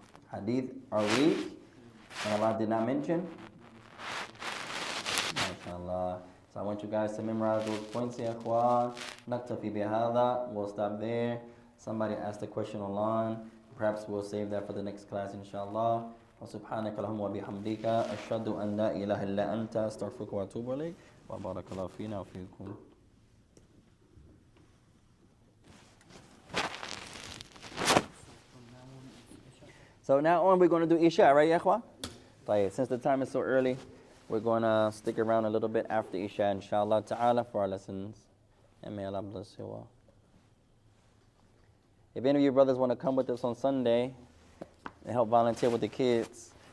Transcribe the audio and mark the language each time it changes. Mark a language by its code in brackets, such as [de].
[en] Hadith are weak. And Allah did not mention. MashaAllah. So I want you guys to memorize those points, ya ikhwan. [ar] Naktafi bihadha. [en] We'll stop there. Somebody asked a question online. Perhaps we'll save that for the next class, inshallah. [ar] سبحانك اللهم وبحمدك أشهد أن لا إله إلا أنت أستغفرك وأتوب إليك وبارك الله فينا وفيكم. [en] So now on we're going to do Isha, right, Yahwa? طيب, since the time is so early, we're going to stick around a little bit after Isha, inshallah ta'ala, for our lessons. And may Allah bless you all. If any of you brothers want to come with us on Sunday, and help volunteer with the kids.